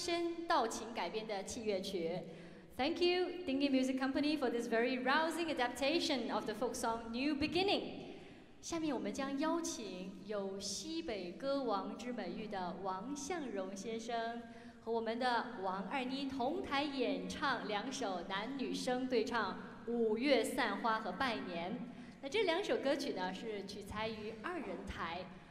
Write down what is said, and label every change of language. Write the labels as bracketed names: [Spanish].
[Chinese] 刚才各位听到的是乐队演奏根据民歌翻身道情改编的器乐曲。 [English] Thank you, Dingy Music Company, for this very rousing adaptation of the folk song New Beginning. [Chinese] 下面我们将邀请有西北歌王之美誉的王向荣先生和我们的王二妮同台演唱两首男女生对唱《五月散花》和《拜年》。那这两首歌曲呢，是取材于二人台。